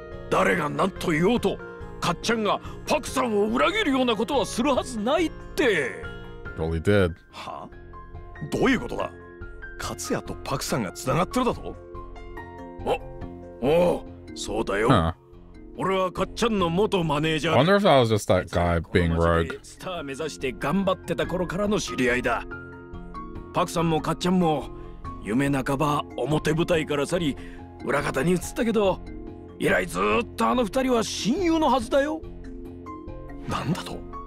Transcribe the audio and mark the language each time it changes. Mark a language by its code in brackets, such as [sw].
[ja] 誰が何と言おうとカッチャンがパクさんを裏切るようなことはするはずないって。 [en] Well, he did. [ja] は？どういうことだ。カツヤとパクさんがつながってるだと？おう、そうだよ。俺はカッチャンの元マネージャー。 [en] I wonder if I was just that guy being rogue. [ja] スター目指して頑張ってた頃からの知り合いだ。パクさんもカッチャンも夢半ば表舞台から去り裏方に移ったけど、以来ずっとあの二人は親友のはずだよ。なんだと？